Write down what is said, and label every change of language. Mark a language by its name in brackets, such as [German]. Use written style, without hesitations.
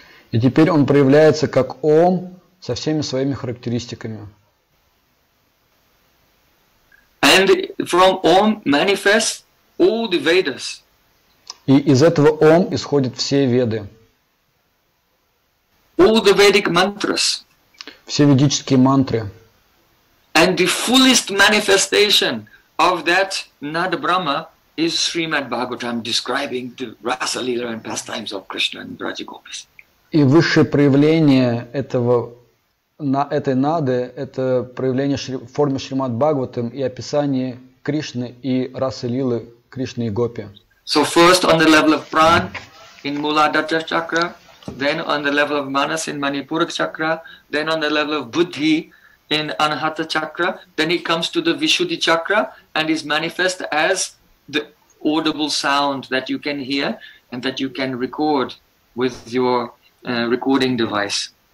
[Russian] И теперь он проявляется как ом, со всеми своими характеристиками. [English] And from Om manifests all the Vedas. [Russian] И из этого Ом исходят все веды. [English] All the Vedic mantras. [Russian] Все ведические мантры. [English] And the fullest manifestation of that Nad Brahma is Srimad Bhagavatam describing the Rasa Lila and pastimes of Krishna and Raja Gopis. [Russian] И высшее проявление этого на этой нады это проявление шри, формы Шримад Бхагаватам и описание Кришны и расы лилы Кришны и Гопи. [English] So first on the level of pran in Muladhara chakra, then on the level of manas in Manipura chakra, then on the level of buddhi in Anahata chakra, then it comes to the Vishuddhi chakra and is manifest as the audible sound that you can hear and that you can record with your recording device.